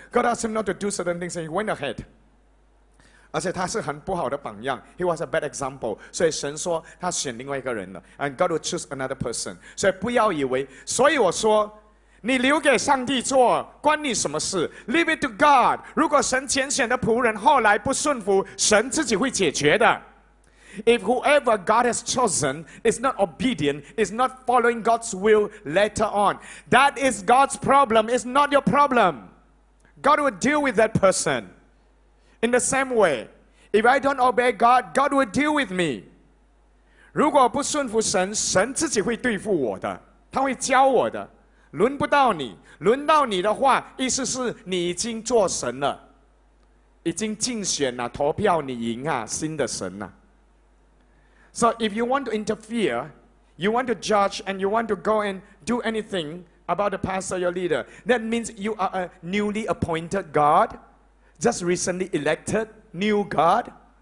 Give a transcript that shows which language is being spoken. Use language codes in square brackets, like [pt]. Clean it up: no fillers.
[en] God asked him not to do certain things, and he went ahead. [zh] 而且他是很不好的榜样。 [en] He was a bad example. [zh] 所以神说他选另外一个人了。 [en] And God will choose another person. [zh] 所以不要以为。所以我说，你留给上帝做，关你什么事 ？ [en] Leave it to God。 [zh] 如果神拣选的仆人后来不顺服，神自己会解决的。 [en] If whoever God has chosen is not obedient, is not following God's will later on, that is God's problem. It's not your problem. God will deal with that person. In the same way, if I don't obey God, God will deal with me. [zh] 如果不顺服神，神自己会对付我的，他会教我的。轮不到你，轮到你的话，意思是你已经做神了，已经竞选了，投票你赢啊，新的神啊。 [en] So if you want to interfere, you want to judge, and you want to go and do anything about the pastor, your leader, that means you are a newly appointed God, just recently elected new God.